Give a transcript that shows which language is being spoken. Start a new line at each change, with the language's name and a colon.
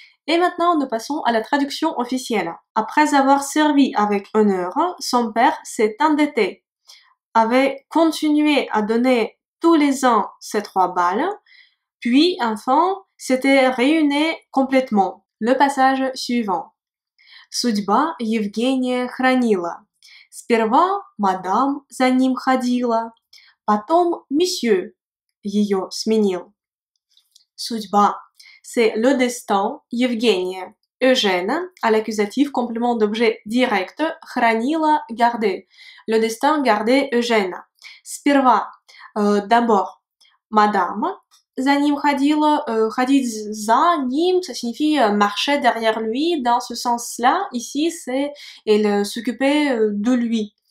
French: Et maintenant, nous passons à la traduction officielle. Après avoir servi avec honneur, son père s'est endetté, avait continué à donner tous les ans ses 3 balles, puis enfin, s'était réuni complètement. Le passage suivant.
Russian: Судьба Евгения хранила. Сперва мадам за ним ходила, потом месье ее сменил. Судьба.
French: C'est le destin
Russian: Евгения.
French: Eugène, à l'accusatif, complément d'objet direct,
Russian: хранила,
French: garder. Le destin garder Eugène.
Russian: Сперва,
French: d'abord,
Russian: мадама. За ним ходила, ходить за ним,
French: ça signifie marcher derrière lui. Dans ce sens-là, ici, c'est elle s'occupait de lui.